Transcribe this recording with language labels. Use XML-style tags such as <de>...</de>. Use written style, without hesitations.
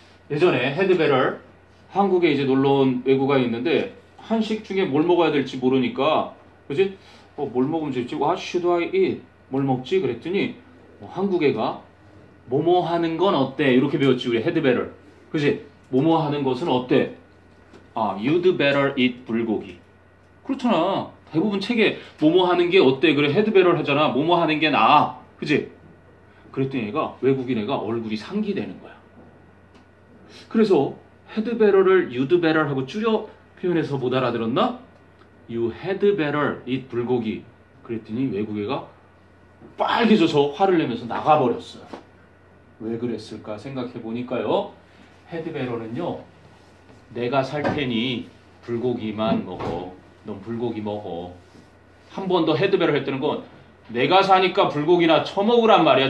<ko>예전에 헤드베러 한국에 이제 놀러 온 외국인이 있는데 한식 중에 뭘 먹어야 될지 모르니까 그지? 뭘 먹으면 좋지?</ko> <en>What should I eat?</en> <ko>뭘 먹지? 그랬더니 한국 애가 뭐뭐 하는 건 어때? 이렇게 배웠지 우리 헤드베러. 그지? 뭐뭐 하는 것은 어때?</ko> <en>아, you'd better eat 불고기.</en> <ko>그렇잖아. 대부분 책에 뭐뭐 하는 게 어때? 그래 헤드베러 하잖아. 뭐뭐 하는 게 나아. 그지? 그랬더니 애가 외국인 애가 얼굴이 상기되는 거야. 그래서 헤드베러를 유드베러 하고 줄여 표현해서 못 알아들었나?</ko> <en>You had better eat 불고기.</en> <ko>그랬더니 외국 애가 빨개져서 화를 내면서 나가버렸어요. 왜 그랬을까 생각해보니까요. 헤드베러는요. 내가 살 테니 불고기만 먹어. 넌 불고기 먹어. 한 번 더 헤드베러 했다는 건 내가 사니까 불고기나 처먹으란 말이야.</ko>